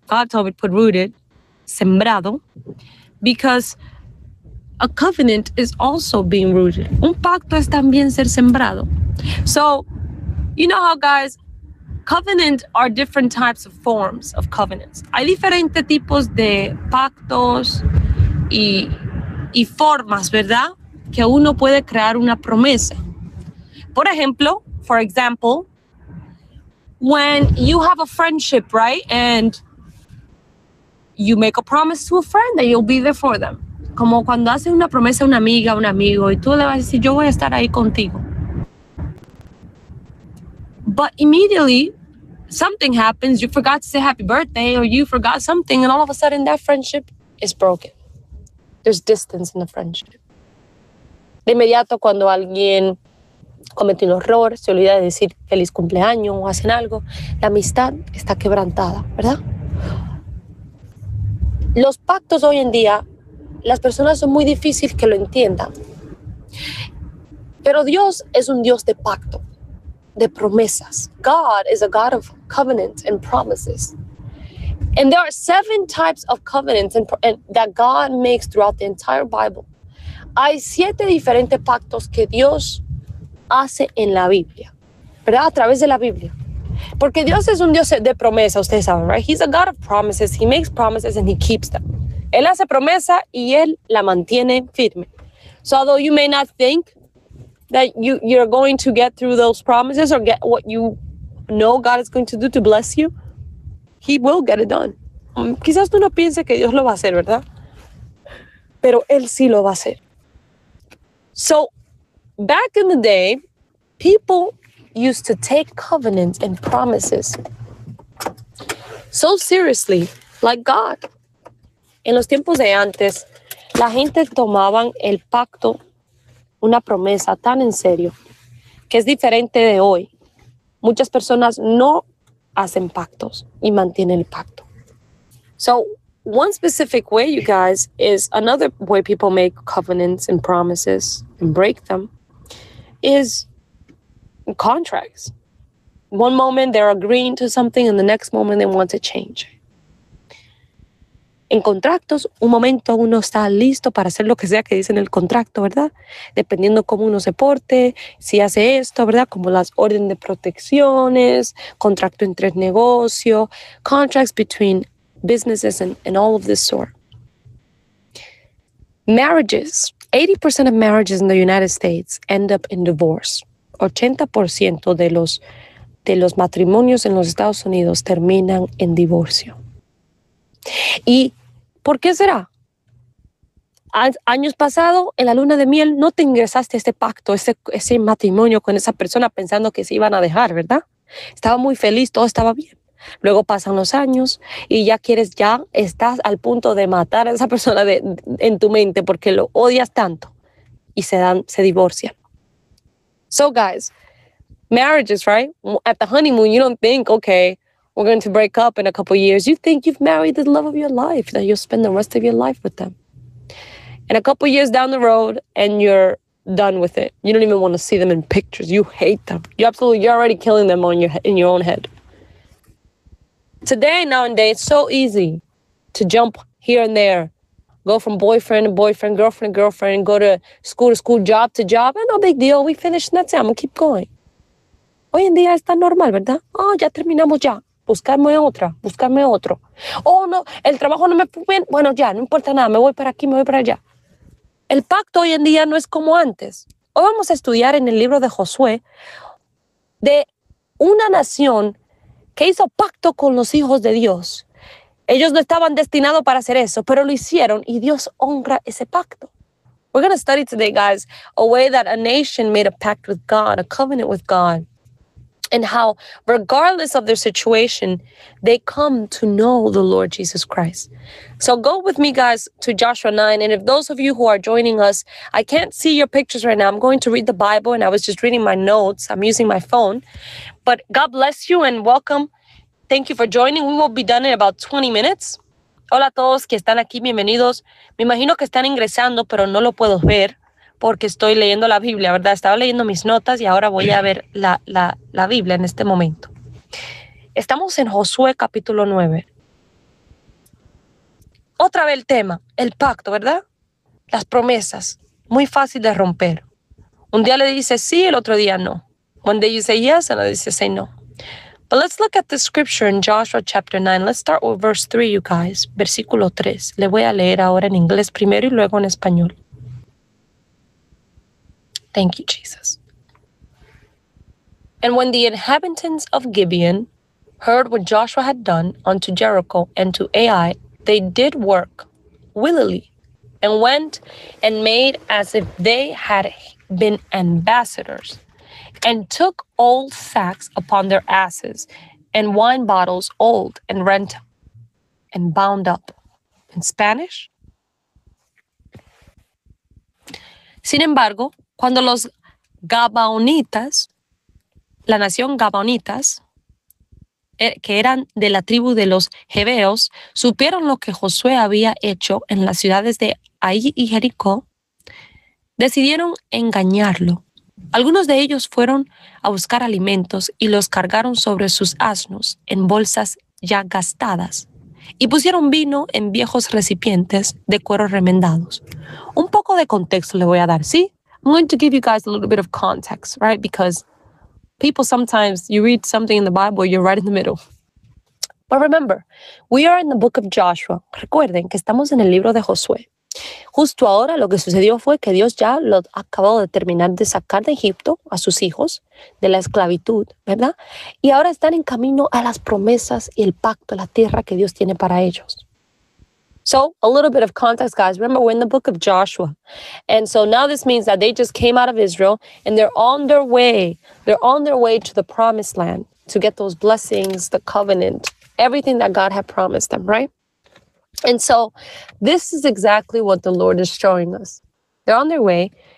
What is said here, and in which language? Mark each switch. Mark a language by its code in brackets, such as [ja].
[en] God told me to put rooted, sembrado, because a covenant is also being rooted. [es] Un pacto es también ser sembrado. [en] So, you know how, guys, covenant are different types of forms of covenants. [es] Hay diferentes tipos de pactos y formas, ¿verdad? Que uno puede crear una promesa. Por ejemplo, [en] for example, when you have a friendship, right? And you make a promise to a friend that you'll be there for them. [es] Como cuando haces una promesa a una amiga, a un amigo, y tú le vas a decir, yo voy a estar ahí contigo. [en] But immediately, something happens. You forgot to say happy birthday, or you forgot something, and all of a sudden that friendship is broken. There's distance in the friendship. [es] De inmediato, cuando alguien comete un error, se olvida de decir feliz cumpleaños o hacen algo, la amistad está quebrantada, ¿verdad? Los pactos hoy en día, las personas son muy difíciles que lo entiendan. Pero Dios es un Dios de pacto, de promesas. [en] God is a God of covenants and promises. And there are seven types of covenants that God makes throughout the entire Bible. [es] Hay siete diferentes pactos que Dios hace en la Biblia, ¿verdad? A través de la Biblia. Porque Dios es un Dios de promesa, ustedes saben, right? [en] He's a God of promises. He makes promises and he keeps them. [es] Él hace promesa y él la mantiene firme. [en] So although you may not think that you're going to get through those promises or get what you know God is going to do to bless you, he will get it done. [es] Quizás tú no pienses que Dios lo va a hacer, ¿verdad? Pero él sí lo va a hacer. [en] So, back in the day, people used to take covenants and promises so seriously, like God. [es] En los tiempos de antes, la gente tomaban el pacto, una promesa tan en serio, que es diferente de hoy. Muchas personas no hacen pactos y mantienen el pacto. [en] So, one specific way, you guys, is another way people make covenants and promises and break them is contracts. One moment they're agreeing to something and the next moment they want to change. [es] En contratos, un momento uno está listo para hacer lo que sea que dice en el contrato, ¿verdad? Dependiendo cómo uno se porte, si hace esto, ¿verdad? Como las órdenes de protecciones, contrato entre negocio, [en] contracts between businesses and all of this sort. Marriages, 80% of marriages in the United States end up in divorce. [es] 80% de los matrimonios en los Estados Unidos terminan en divorcio. ¿Y por qué será? Años pasado, en la luna de miel, no te ingresaste a este pacto, ese matrimonio con esa persona pensando que se iban a dejar, ¿verdad? Estaba muy feliz, todo estaba bien. Luego pasan los años y ya estás al punto de matar a esa persona en tu mente porque lo odias tanto y se divorcian. [en] So guys, marriages, right? At the honeymoon, you don't think, okay, We're going to break up in a couple of years. You think you've married the love of your life, that you'll spend the rest of your life with them. And a couple of years down the road, and you're done with it. You don't even want to see them in pictures. You hate them. You're already killing them in your own head. Today, nowadays, it's so easy to jump here and there. Go from boyfriend to boyfriend, girlfriend to girlfriend, and go to school, job to job. No big deal. We finished. That's it. I'm going to keep going. [es] Hoy en día está normal, ¿verdad? Oh, ya terminamos ya. Buscarme otra. Buscarme otro. Oh, no. El trabajo no me fue bien. Bueno, ya. No importa nada. Me voy para aquí. Me voy para allá. El pacto hoy en día no es como antes. Hoy vamos a estudiar en el libro de Josué de una nación que hizo pacto con los hijos de Dios. Ellos no estaban destinados para hacer eso, pero lo hicieron y Dios honra ese pacto. [en] We're going to study today, guys, a way that a nation made a pact with God, a covenant with God, and how, regardless of their situation, they come to know the Lord Jesus Christ. So go with me, guys, to Joshua 9. And if those of you who are joining us, I can't see your pictures right now. I'm going to read the Bible, and I was just reading my notes. I'm using my phone. But God bless you and welcome. Thank you for joining. We will be done in about 20 minutes. [es] Hola a todos que están aquí, bienvenidos. Me imagino que están ingresando, pero no lo puedo ver porque estoy leyendo la Biblia, ¿verdad? Estaba leyendo mis notas y ahora voy a ver la Biblia en este momento. Estamos en Josué capítulo 9. Otra vez el tema, el pacto, ¿verdad? Las promesas, muy fácil de romper. Un día le dice sí, el otro día no. [en] One day you say yes, and another you say no. But let's look at the scripture in Joshua chapter 9. Let's start with verse 3, you guys. [es] Versículo 3. Le voy a leer ahora en inglés primero y luego en español. [en] Thank you, Jesus. And when the inhabitants of Gibeon heard what Joshua had done unto Jericho and to Ai, they did work willingly and went and made as if they had been ambassadors, and took old sacks upon their asses, and wine bottles old and rent and bound up. In Spanish? [es] Sin embargo, cuando los Gabaonitas, la nación Gabaonitas, que eran de la tribu de los Jebeos, supieron lo que Josué había hecho en las ciudades de Ai y Jericó, decidieron engañarlo. Algunos de ellos fueron a buscar alimentos y los cargaron sobre sus asnos en bolsas ya gastadas y pusieron vino en viejos recipientes de cuero remendados. Un poco de contexto le voy a dar, ¿sí? [en] I'm going to give you guys a little bit of context, right? Because people sometimes, you read something in the Bible, you're right in the middle. But remember, we are in the book of Joshua. [es] Recuerden que estamos en el libro de Josué. Justo ahora lo que sucedió fue que Dios ya lo acabó de terminar de sacar de Egipto a sus hijos de la esclavitud, ¿verdad? Y ahora están en camino a las promesas y el pacto, la tierra que Dios tiene para ellos. [en] So, a little bit of context, guys. Remember, we're in the book of Joshua. And so now this means that they just came out of Israel and they're on their way. They're on their way to the promised land to get those blessings, the covenant, everything that God had promised them, right? And so this is exactly what the Lord is showing us. They're on their way.